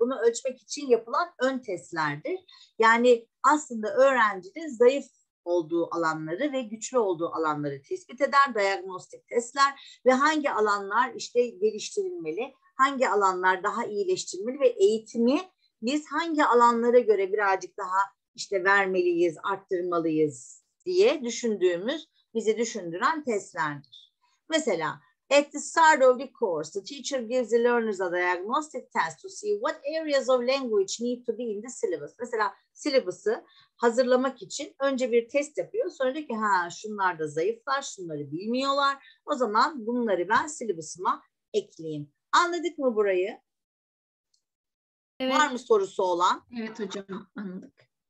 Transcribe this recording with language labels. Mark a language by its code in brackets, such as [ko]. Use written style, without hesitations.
[tr] Bunu ölçmek için yapılan ön testlerdir. Yani aslında öğrencinin zayıf olduğu alanları ve güçlü olduğu alanları tespit eder diagnostik testler ve hangi alanlar işte geliştirilmeli, hangi alanlar daha iyileştirilmeli ve eğitimi biz hangi alanlara göre birazcık daha işte vermeliyiz, arttırmalıyız diye düşündüğümüz, bizi düşündüren testlerdir. Mesela [en] at the start of the course, the teacher gives the learners a diagnostic test to see what areas of language need to be in the syllabus. [tr] Mesela syllabus'ı hazırlamak için önce bir test yapıyor. Sonra diyor ki ha, şunlar da zayıflar, şunları bilmiyorlar. O zaman bunları ben syllabus'ıma ekleyeyim. Anladık mı burayı? Evet. Var mı sorusu olan? Evet hocam, anladık.